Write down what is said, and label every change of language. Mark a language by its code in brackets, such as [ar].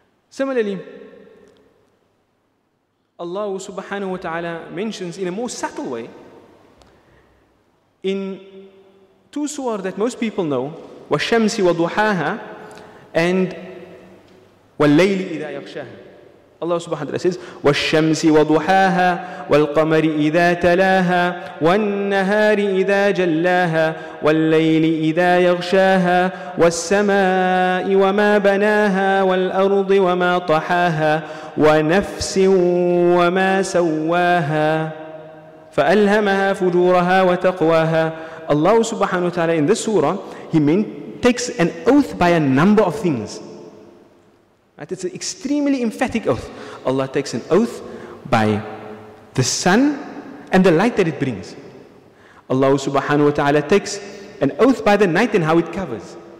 [en] Similarly, Allah subhanahu wa ta'ala mentions in a more subtle way, in two surahs that most people know, [ar] وَالشَّمْسِ وَضُحَاهَا [en] and [ar] وَاللَّيْلِ إِذَا يَغْشَاهَا. [en] Allah subhanahu wa ta'ala says, [ar] وَالشَّمْسِ وَضُحَاهَا وَالْقَمَرِ إِذَا تَلَاهَا وَالنَّهَارِ إِذَا جَلَّاهَا وَاللَّيْلِ إِذَا يَغْشَاهَا وَالسَّمَاءِ وَمَا بَنَاهَا وَالْأَرْضِ وَمَا طَحَاهَا وَنَفْسٍ وَمَا سَوَّاهَا فَأَلْهَمَهَا فُجُورَهَا وَتَقْوَاهَا. [en] Allah subhanahu wa ta'ala in this surah, takes an oath by a number of things. Right? It's an extremely emphatic oath. Allah takes an oath by the sun and the light that it brings. Allah subhanahu wa ta'ala takes an oath by the night and how it covers.